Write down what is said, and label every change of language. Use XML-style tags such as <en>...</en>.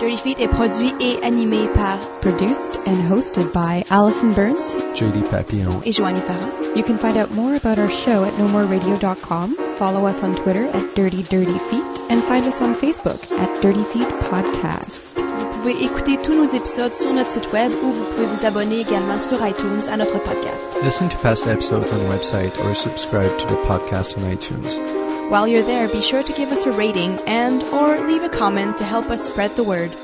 <fr>Dirty Feet est produit et animé par...</fr> <en>Produced and hosted by Allison Burns, JD Papillon,</en> <fr>et Joanie Farah.</fr> <en>You can find out more about our show at nomoreradio.com, follow us on Twitter at Dirty Dirty Feet, and find us on Facebook at Dirty Feet Podcast.</en> <fr>Vous pouvez écouter tous nos épisodes sur notre site web ou vous pouvez vous abonner également sur iTunes à notre podcast.</fr> <en>Listen to past episodes on the website or subscribe to the podcast on iTunes. While you're there, be sure to give us a rating and or leave a comment to help us spread the word.</en>